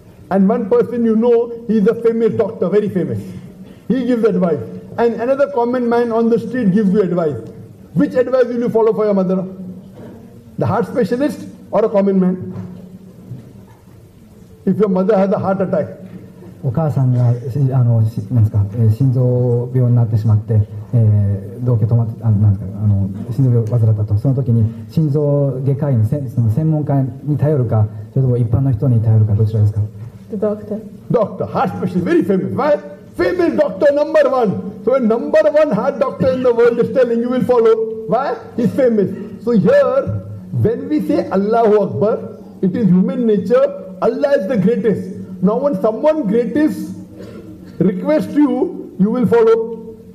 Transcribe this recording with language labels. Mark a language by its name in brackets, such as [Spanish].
[English] And one person you know, he is a famous doctor, very famous. He gives advice. And another common man on the street gives you advice. Which advice will you follow for your mother? The heart specialist? Or a common man? If your mother has a heart attack. [Japanese] お母さんが心臓病になってしまって、同居止まって、心臓病患者だったと、その時に心臓外科医に、専門家に頼るか、それとも一般の人に頼るか、どちらですか? [English] Doctor, heart specialist, very famous, right? Female doctor number one. So when number one heart doctor in the world is telling, you will follow. Why? He's famous. So here, when we say Allahu Akbar, it is human nature. Allah is the greatest. Now when someone greatest requests you, you will follow.